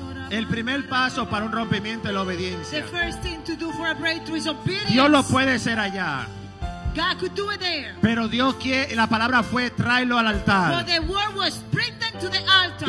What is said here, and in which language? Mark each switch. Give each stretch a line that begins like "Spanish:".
Spanish: El primer paso para un rompimiento es la obediencia.
English: The first thing to do for a breakthrough is obedience.
Spanish: Dios lo puede hacer allá.
English: God could do it there.
Spanish: Pero Dios quiere, la palabra fue tráelo al altar.
English: But the word was bring them to the altar.